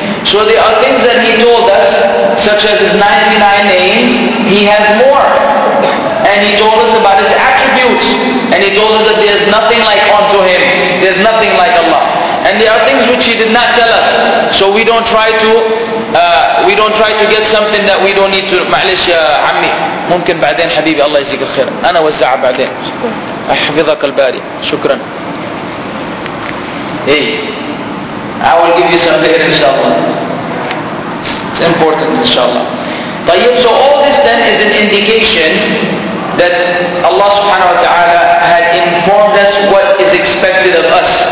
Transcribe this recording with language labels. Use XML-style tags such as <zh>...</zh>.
<en>So there are things that He told us, such as His 99 names, He has more. And He told us about His attributes. And He told us that there is nothing like unto Him. There is nothing like Allah. And there are things which He did not tell us. So we don't try to get something that we don't need to.</en> <ar>معلش يا عمي ممكن بعدين حبيبي الله يجزيك الخير أنا وزعها بعدين أحفظك الباري شكرا.</ar> <en>Hey, I will give you some later inshallah. It's important inshallah. طيب, so all this then is an indication that Allah subhanahu wa ta'ala had informed us what is expected of us.</en>